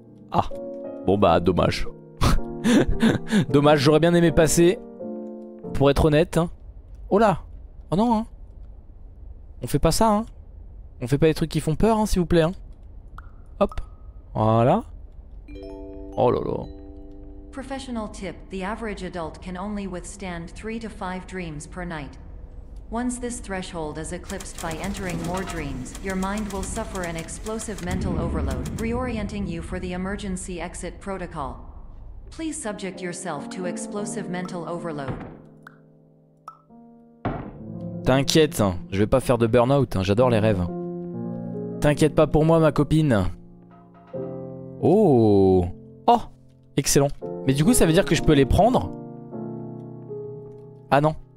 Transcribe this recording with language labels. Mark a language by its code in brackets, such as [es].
[fr] Ah. Bon bah dommage. Dommage, j'aurais bien aimé passer. Pour être honnête. Hein. Oh là. Oh non. Hein. On fait pas ça. Hein. On fait pas des trucs qui font peur, hein, s'il vous plaît. Hein. Hop. Voilà. Oh là là. [en] Professional tip: the average adult can only withstand 3 to 5 dreams per night. Once this threshold is eclipsed by entering more dreams, your mind will suffer an explosive mental overload, reorienting you for the emergency exit protocol. Please subject yourself to explosive mental overload. [fr] T'inquiète, hein, je vais pas faire de burn-out, hein, j'adore les rêves. T'inquiète pas pour moi, ma copine. Oh! Oh! Excellent. Mais du coup, ça veut dire que je peux les prendre? Ah non.